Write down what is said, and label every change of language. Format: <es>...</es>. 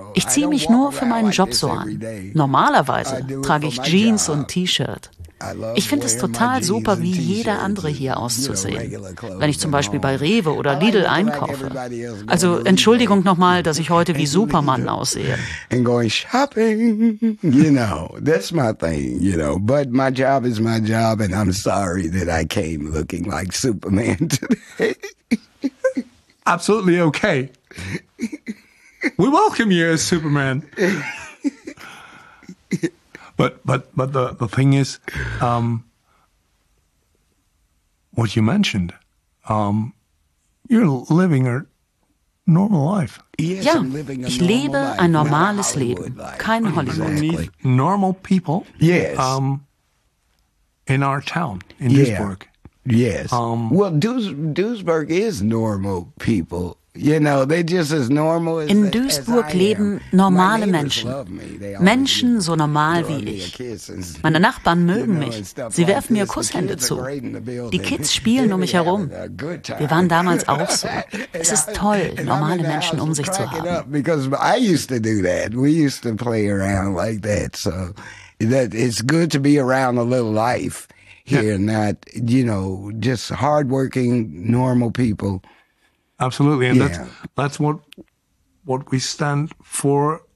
<de>Ich ziehe mich nur für meinen Job so an. Normalerweise trage ich Jeans und T-Shirt. Ich finde es total super, wie jeder andere hier auszusehen, wenn ich zum Beispiel bei Rewe oder Lidl einkaufe. Also Entschuldigung nochmal, dass ich heute wie Superman aussehe.</de> <en>And going shopping, you know, that's my thing, you know. But my job is my job and I'm sorry that I came looking like Superman today. Absolutely okay. We welcome you as Superman. But the thing is, what you mentioned, you're living a normal life.</en> <de>Yes, ja, ich lebe ein normales Leben, kein Hollywood.</de> <en>Normal people. Yes. In our town, in Duisburg. Yes. Well, Duisburg is normal people. You know, they're just as normal as in Duisburg as I</en> <de>leben</de> <en>am.</en> <de>Normale Menschen. Menschen so normal wie ich. Meine Nachbarn mögen mich. Sie werfen mir Kusshände zu. Die Kids spielen um mich herum. Wir waren damals auch so. Es ist toll, normale Menschen um sich zu haben.</de> <en>Because I used to do that. We used to play around like that. So that it's good to be around a little life here, not, you know, just hardworking normal people. Absolutely, and that's what we stand for.</en>